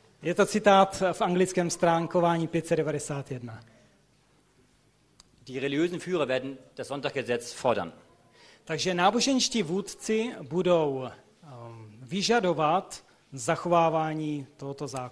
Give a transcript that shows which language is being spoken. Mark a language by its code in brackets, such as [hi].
[cs] Je to citát v anglickém stránkování 591. [de] Die religiösen Führer werden das Sonntagsgesetz fordern. [cs] Takže náboženští vůdci budou vyžadovat zachovávání tohoto zákona.